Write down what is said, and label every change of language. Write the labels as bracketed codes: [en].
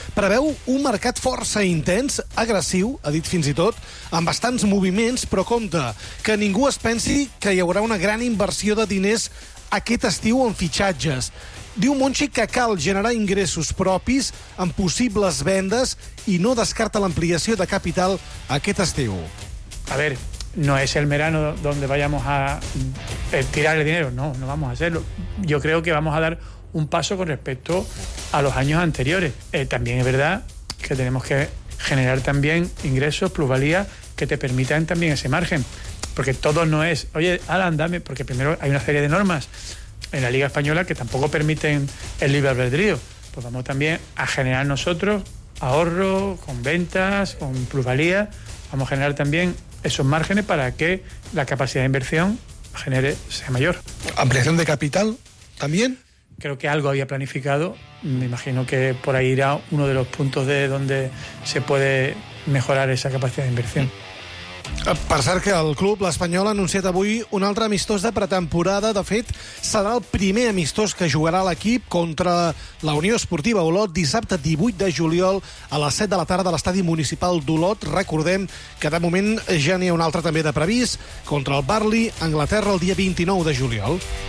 [ca] Preveu un mercat força intens, agressiu, ha dit fins i tot, amb bastants moviments, però compte, que ningú es pensi que hi haurà una gran inversió de diners aquest estiu en fitxatges. Diu Monchi que cal generar ingressos propis amb possibles vendes i no descarta l'ampliació de capital aquest estiu. [es] A ver, no es el verano donde vayamos a tirar el dinero. No, no vamos a hacerlo. Yo creo que vamos a dar un paso con respecto a los años anteriores. También es verdad que tenemos que generar también ingresos, plusvalía, que te permitan también ese margen. Porque todo no es... Oye, Alan, dame... Porque primero hay una serie de normas en la Liga Española que tampoco permiten el libre albedrío. Pues vamos también a generar nosotros ahorro, con ventas, con plusvalía. Vamos a generar también esos márgenes para que la capacidad de inversión genere sea mayor. ¿Ampliación de capital también? Creo que algo había planificado. Me imagino que por ahí irá uno de los puntos de donde se puede mejorar esa capacidad de inversión. [ca] Per cert que el club, l'Espanyol, ha anunciat avui un altre amistós de pretemporada. De fet, serà el primer amistós que jugarà l'equip contra la Unió Esportiva Olot dissabte 18 de juliol a les 7 de la tarda a l'estadi municipal d'Olot. Recordem que de moment ja n'hi ha un altre també de previst contra el Burnley, Anglaterra, el dia 29 de juliol.